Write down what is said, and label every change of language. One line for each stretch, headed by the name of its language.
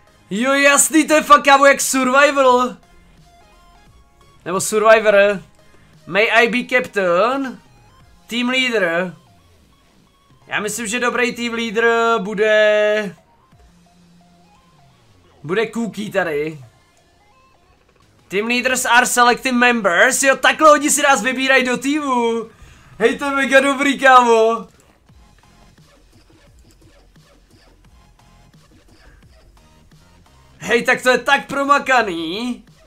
Czech: Jo, jasný, to je fakt, kámo, jak Survivor. Nebo Survivor.
English: May I be captain? Team leader.
Czech: Já myslím, že dobrý team leader bude... Bude Cookie tady.
English: Team leaders are selected members.
Czech: Jo, takhle oni si nás vybírají do týmu. Hej, to je mega dobrý, kámo. Hej, tak to je tak promakaný.